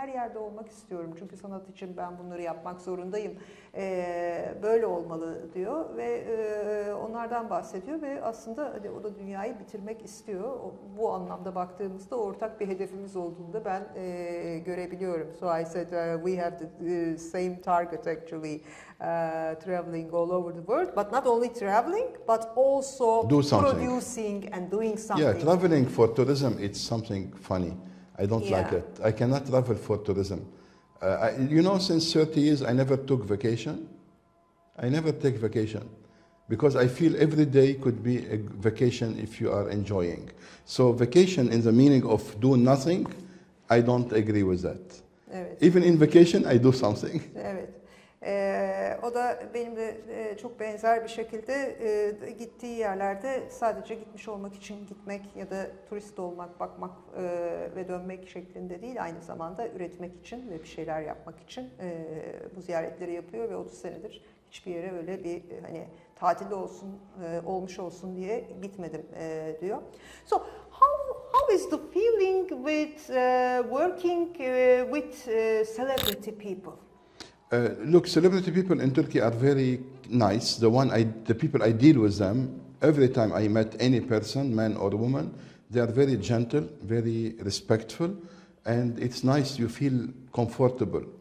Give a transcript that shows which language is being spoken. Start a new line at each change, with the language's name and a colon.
Turkish: Her yerde olmak istiyorum. Çünkü sanat için ben bunları yapmak zorundayım. Böyle olmalı diyor ve onlardan bahsediyor ve aslında hani, o da dünyayı bitirmek istiyor. Bu anlamda baktığımızda ortak bir hedefimiz olduğunu da ben görebiliyorum.
English: So I said we have the same target actually, traveling all over the world, but not only traveling, but also producing and doing something. Yeah, traveling for tourism, it's something funny. I don't like it. I cannot travel for tourism. Since 30 years, I never took vacation. I never take vacation because I feel every day could be a vacation if you are enjoying. So vacation in the meaning of do nothing, I don't agree with that.
Turkish: Evet.
English: Even in vacation, I do something.
Turkish: Evet. O da benimle çok benzer bir şekilde gittiği yerlerde sadece gitmiş olmak için gitmek ya da turist olmak, bakmak ve dönmek şeklinde değil, aynı zamanda üretmek için ve bir şeyler yapmak için bu ziyaretleri yapıyor ve 30 senedir hiçbir yere öyle bir hani tatil olsun, olmuş olsun diye gitmedim diyor.
English: So, how is the feeling with working with celebrity people? Look, celebrity people in Turkey are very nice. The people I deal with them, every time I met any person, man or woman, they are very gentle, very respectful, and it's nice, you feel comfortable.